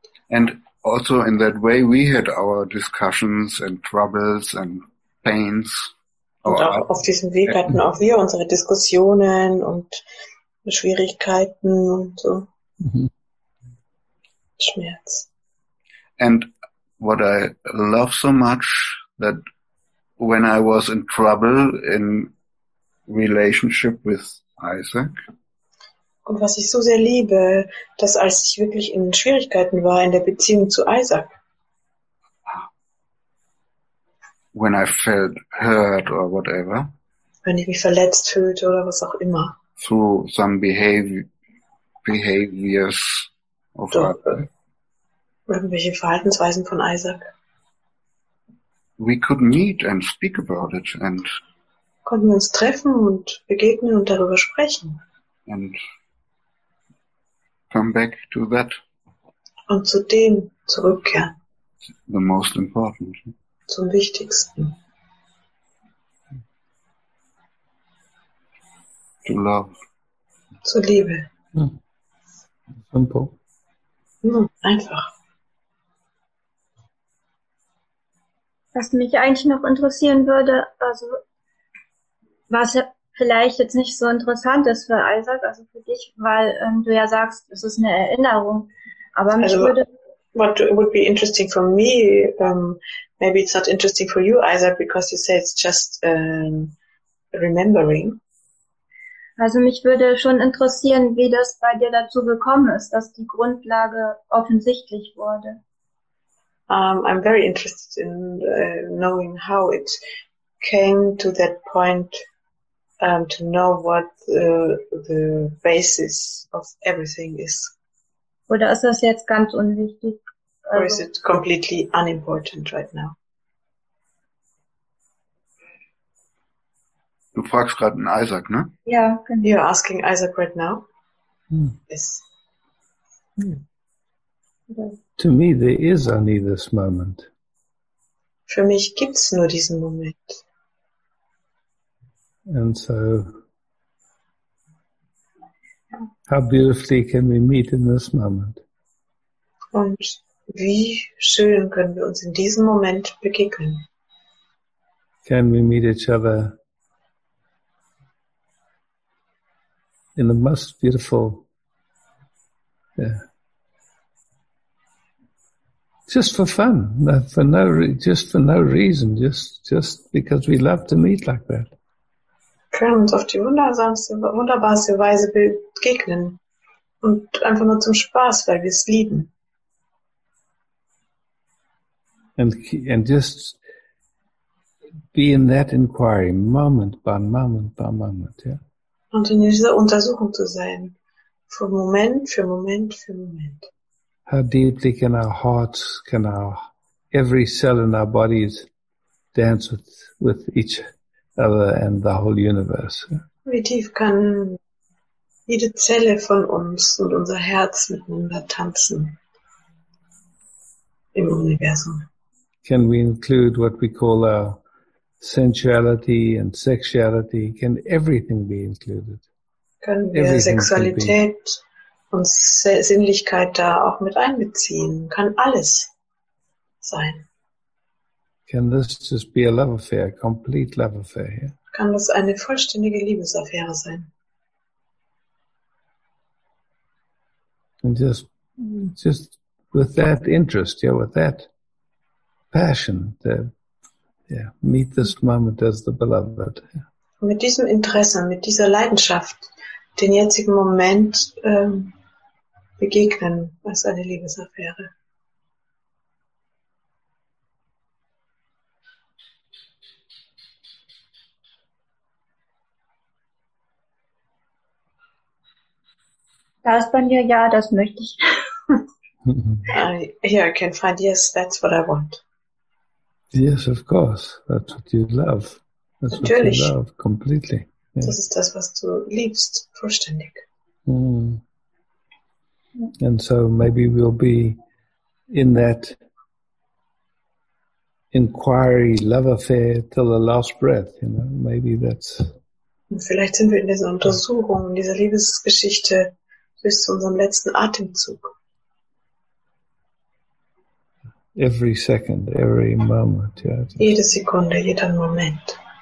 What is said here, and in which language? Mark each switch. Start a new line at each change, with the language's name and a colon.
English: And also in that way, we had our discussions and troubles and pains.
German: Und auch auf diesem Weg hatten auch wir unsere Diskussionen und Schwierigkeiten und so. Mm-hmm. Schmerz.
English: And what I love so much that when I was in trouble in relationship with Isaac.
German: Und was ich so sehr liebe, dass als ich wirklich in Schwierigkeiten war in der Beziehung zu Isaac.
English: When I felt hurt or whatever.
German: Wenn ich mich verletzt fühlte oder was auch immer.
English: Through some behaviors of Isaac.
German: Irgendwelche Verhaltensweisen von Isaac.
English: We could meet and speak about it and
German: konnten wir uns treffen und begegnen und darüber sprechen.
English: And come back to that.
German: Und zu dem zurückkehren.
English: The most important.
German: Zum Wichtigsten.
English: To love.
German: Zur Liebe.
English: Hm. Simple.
German: Hm, einfach. Was mich eigentlich noch interessieren würde, also was vielleicht jetzt nicht so interessant ist für Isaac, also für dich, weil du ja sagst, es ist eine Erinnerung. Aber mich also, würde...
English: What would be interesting for me, maybe it's not interesting for you, Isaac, because you say it's just remembering.
German: Also mich würde schon interessieren, wie das bei dir dazu gekommen ist, dass die Grundlage offensichtlich wurde.
English: I'm very interested in knowing how it came to that point to know what the basis of everything is.
German: Oder ist das jetzt ganz unwichtig?
English: Or is it completely unimportant right now?
German: Du fragst gerade an Isaac, ne? Ja, genau.
English: You're asking Isaac right now? Hm. Yes. Hm. To me, there is only this moment.
German: Für mich gibt's nur diesen Moment.
English: And so, how beautifully can we meet in this moment?
German: Und wie schön können wir uns in diesem Moment begegnen?
English: Can we meet each other in the most beautiful, yeah. Just for fun, just for no reason, just because we love to meet like that.
German: Können uns auf die wunderbarste Weise begegnen und einfach nur zum Spaß, weil wir es lieben.
English: And just be in that inquiry, moment by moment by moment, yeah.
German: Und in dieser Untersuchung zu sein, von Moment für Moment für Moment.
English: How deeply can our hearts, can our every cell in our bodies dance with each other and the whole universe?
German: Wie tief kann jede Zelle von uns und unser Herz miteinander tanzen im Universum?
English: Can we include what we call our sensuality and sexuality? Can everything be included?
German: Können wir everything Sexualität und Sinnlichkeit da auch mit einbeziehen? Kann alles sein.
English: Can this just be a love affair, a complete love affair? Yeah?
German: Kann das eine vollständige Liebesaffäre sein?
English: And just with that interest, yeah, with that passion, yeah, meet this moment as the beloved. Yeah.
German: Mit diesem Interesse, mit dieser Leidenschaft, den jetzigen Moment begegnen als eine Liebesaffäre. Da ist bei mir, ja, das möchte ich.
English: Here I can find, yes, that's what I want. Yes, of course, that's what you love. That's
German: natürlich.
English: What you love, completely.
German: Yeah. Das ist das, was du liebst, vollständig. Mm.
English: And so maybe we'll be in that inquiry, love affair till the last breath, you know, maybe that's...
German: Vielleicht sind wir in dieser Untersuchung, in dieser Liebesgeschichte bis zu unserem letzten Atemzug.
English: Every second, every moment. Yeah.
German: Jede Sekunde, jeden Moment.